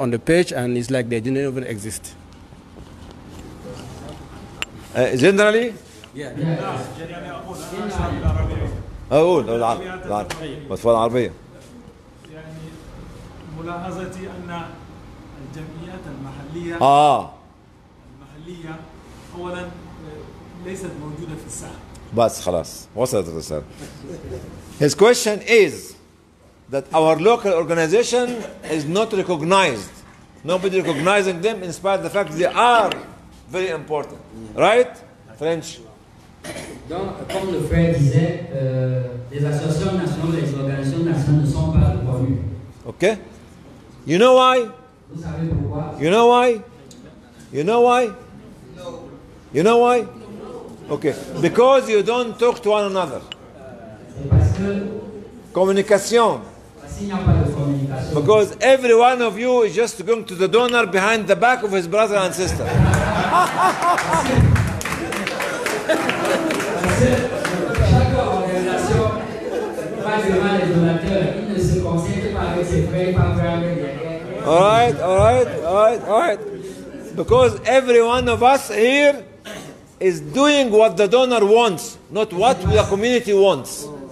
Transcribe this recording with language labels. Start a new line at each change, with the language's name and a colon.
English: He said that when they look at the exercise, they were not even in the page, on the page. Oh, yes. You know why? Because we don't sit together. What's the question, English? What's his question? What was his question? No, he said that when they look at the exercise that just went on the document that was presented, they were not even informed of anything. They were not on the page, and it's like they didn't even exist. Oh, no, that. What's for Arabic?
Arabic: بس خلاص وصلت الرسالة.
English: His question is that our local organization is not recognized. Nobody recognizing them in spite of the fact they are very important. Right? French.
French: Donc, comme le frère disait, les associations nationales, les organisations nationales ne sont pas reconnues.
English: Okay? You know why?
French: Vous savez pourquoi?
English: You know why? You know why? No. You know why? No. Okay. Because you don't talk to one another.
French: Parce que communication. Parce qu'il n'y a pas de communication.
English: Because every one of you is just going to the donor behind the back of his brother and sister.
French: Parce que chaque organisation, pas seulement les donateurs, ils ne se concentrent pas avec ses frères, pas vraiment derrière.
English: All right. Because every one of us here is doing what the donor wants, not what the community wants.